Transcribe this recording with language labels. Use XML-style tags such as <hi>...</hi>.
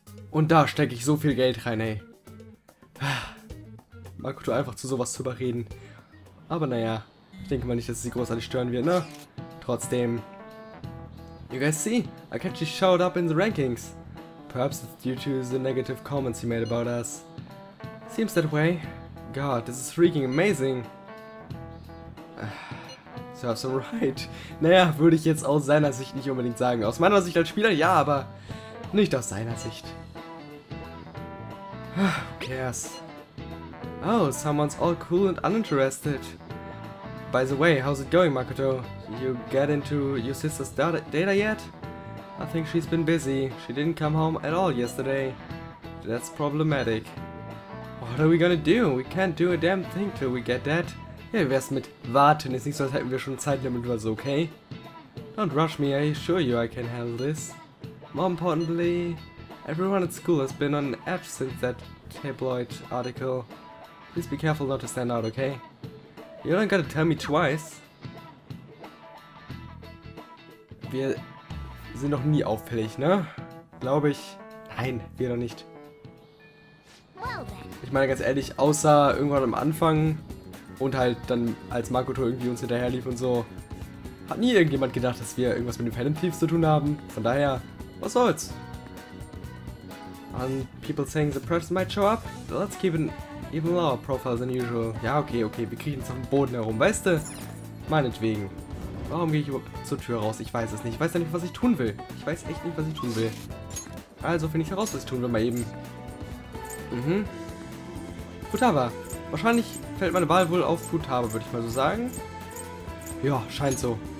<de>Und da stecke ich so viel Geld rein, ey. Makoto einfach zu sowas zu überreden. Aber naja, ich denke mal nicht, dass sie großartig stören wird, ne? Trotzdem.</de> <en>You guys see? Akechi showed up in the rankings. Perhaps it's due to the negative comments he made about us. Seems that way. God, this is freaking amazing. Serves him right.</en> <de>Naja, würde ich jetzt aus seiner Sicht nicht unbedingt sagen. Aus meiner Sicht als Spieler ja, aber nicht aus seiner Sicht.</de> <en>Who cares? Oh, someone's all cool and uninterested. By the way, how's it going, Makoto? You get into your sister's data yet? I think she's been busy. She didn't come home at all yesterday. That's problematic. What are we gonna do? We can't do a damn thing till we get that.</en> <de>Hey, wie wär's mit warten? Ist nicht so, als hätten wir schon Zeit damit was, okay?</de> <en>Don't rush me, I assure you I can handle this. More importantly, everyone at school has been on edge since that tabloid article. Please be careful not to stand out, okay? You don't gotta tell me twice.</en> <de>Wir sind noch nie auffällig, ne? Glaube ich. Nein, wir noch nicht. Ich meine ganz ehrlich, außer irgendwann am Anfang und halt dann, als Makoto irgendwie uns hinterherlief und so, hat nie irgendjemand gedacht, dass wir irgendwas mit den Phantom Thieves zu tun haben. Von daher, was soll's?</de> <en>And people saying the press might show up? Let's keep an even lower profile than usual.</en> <de>Ja, okay, okay, wir kriegen uns auf dem Boden herum, weißt du? Meinetwegen. Warum gehe ich überhaupt zur Tür raus? Ich weiß es nicht. Ich weiß ja nicht, was ich tun will. Ich weiß echt nicht, was ich tun will. Also finde ich heraus, was ich tun will, mal eben. Mhm. Futaba. Wahrscheinlich fällt meine Wahl wohl auf Futaba, würde ich mal so sagen. Ja, scheint so.</de>